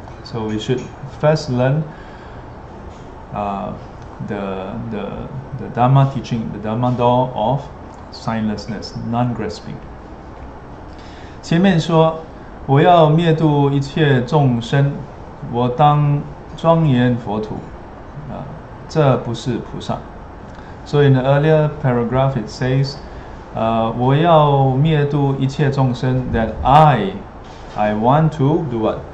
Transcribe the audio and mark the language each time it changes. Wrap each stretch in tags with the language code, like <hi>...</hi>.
<en>So we should first learn the Dharma teaching, the Dharma door of signlessness, non-grasping.</en> <zh>前面说, 我要灭度一切众生, 我当庄严佛土, 这不是菩萨.</zh> <en>So in the earlier paragraph it says,</en> <zh>我要灭度一切众生,</zh> <en>that I want to do what?</en>